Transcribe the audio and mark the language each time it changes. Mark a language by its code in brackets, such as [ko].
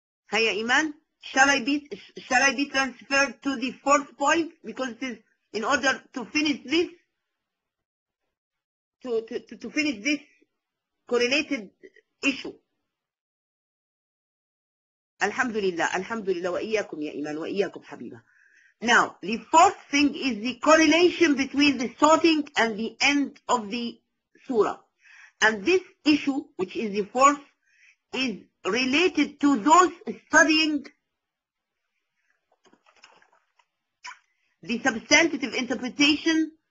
[ar] هيا إيمان. [en] Shall I be transferred to the fourth point because it is in order to finish this to finish this correlated issue. [ar] الحمد لله الحمد لله وإياكم يا إيمان وإياكم حبيبة. [en] Now, the fourth thing is the correlation between the starting and the end of the surah. And this issue, which is the fourth, is related to those studying the substantive interpretation.